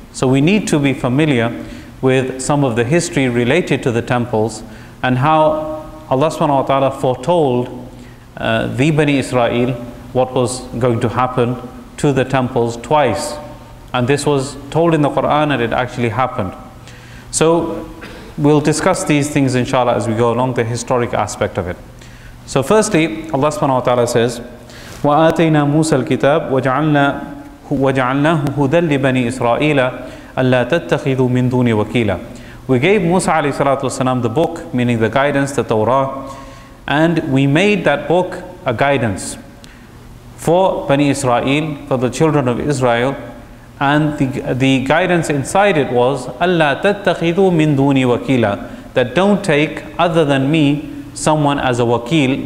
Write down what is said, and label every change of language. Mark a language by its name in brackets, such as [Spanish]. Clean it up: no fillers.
[English] So we need to be familiar with some of the history related to the temples and how Allah subhanahu wa ta'ala foretold the Bani Israel what was going to happen to the temples twice. And this was told in the Quran and it actually happened. So we'll discuss these things inshallah as we go along, the historic aspect of it. So firstly, Allah subhanahu wa ta'ala says, [Arabic] وَآتَيْنَا مُوسَى الْكِتَابَ وَجَعَلْنَاهُ هُدًى لِبَنِي إِسْرَائِيلَ أَلَّا تَتَّخِذُوا مِن دُونِي وَكِيلًا. [English] We gave Musa alayhi salatu wasalam the book, meaning the guidance, the Torah, and we made that book a guidance for Bani Israel, for the children of Israel, and the guidance inside it was [Arabic] أَلَّا تَتَّخِذُوا مِن دُونِي وَكِيلًا, [English] that don't take other than me someone as a wakil.